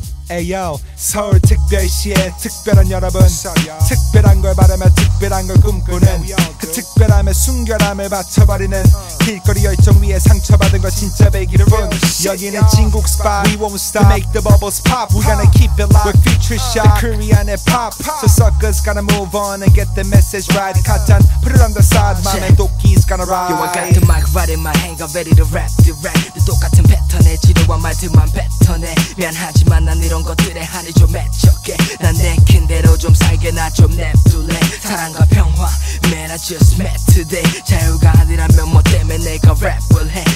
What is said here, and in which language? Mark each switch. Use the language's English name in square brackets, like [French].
[Korean] Ayo, 서울 특별시의 특별한 여러분. 특별한 걸 바라며 특별한 걸 꿈꾸는 그 특별함에 순결함을 바쳐버리는 길거리 열정 위에 상처받은 거 진짜 배기를 본. 여기는 진국 스팟. [English] We won't stop to make the bubbles pop. We gonna keep it locked. We're Futureshock. The Korean hip hop. So suckers gonna move on and get the message right. Cut down, put it on the side. My man Doki's gonna ride. Yo, I got the mic right in my hand. I'm ready to rap direct. [Korean] 똑같은 패턴에 지루한 말들만 뱉어내. 미안하지만 난 이런 것들에 한이 좀 맺혀게. 난 내킨 대로 좀 살게. 나 좀 냅둘래. 사랑과 평화. [English] Man, I just met today. [Korean] 자유가 아니라면 뭐 때문에 내가 랩을 해.